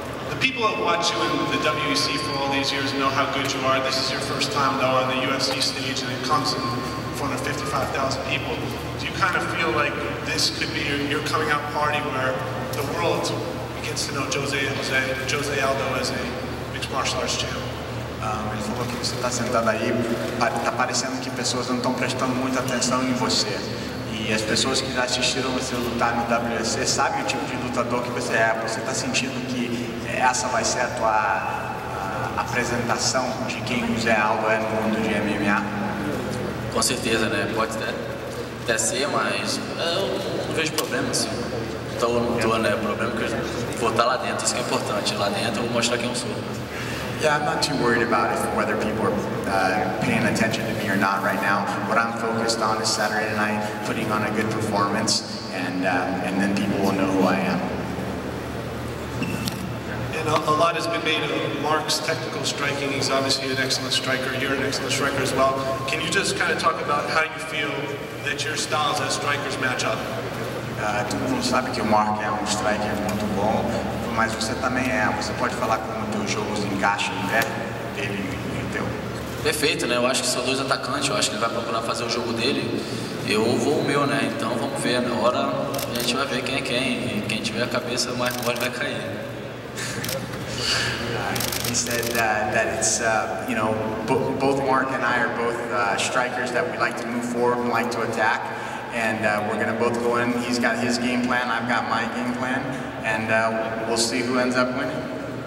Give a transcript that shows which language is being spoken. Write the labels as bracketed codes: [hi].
[en] The people that watch you in the WEC for all these years know how good you are. This is your first time, though, on the UFC stage, and it comes in front of 55,000 people. Do you kind of feel like this could be your coming out party where the world gets to know Jose Aldo as a mixed martial arts champ? [pt] Ele falou que você está sentado aí, está parecendo que pessoas não estão prestando muita atenção em você. E as pessoas que já assistiram você lutar no WEC sabem o tipo de lutador que você é. Você está sentindo que essa vai ser a tua apresentação de quem o Zé Aldo é no mundo de MMA? Com certeza, né? Pode até ser, mas eu não vejo problema, assim. Então, não estou, né? O problema é que eu vou estar lá dentro. Isso que é importante. Lá dentro eu vou mostrar quem eu sou. [en] Yeah, I'm not too worried about it, whether people are paying attention to me or not right now. What I'm focused on is Saturday night, putting on a good performance, and then people will know who I am. And a lot has been made of Mark's technical striking. He's obviously an excellent striker. You're an excellent striker as well. Can you just kind of talk about how you feel that your styles as strikers match up? [pt] Todo mundo sabe que o Mark é um striker muito bom. Mas você também é, você pode falar como o teu jogo se encaixa em pé, ele e teu. Perfeito, né? Eu acho que são dois atacantes, eu acho que ele vai procurar fazer o jogo dele. Eu vou o meu, né? Então vamos ver, na hora a gente vai ver quem é quem. E quem tiver a cabeça mais mole vai cair. [en] He said that it's, you know, both Mark and I are both strikers that we like to move forward and like to attack. And we're going to both go in. He's got his game plan, I've got my game plan. And we'll see who ends up winning.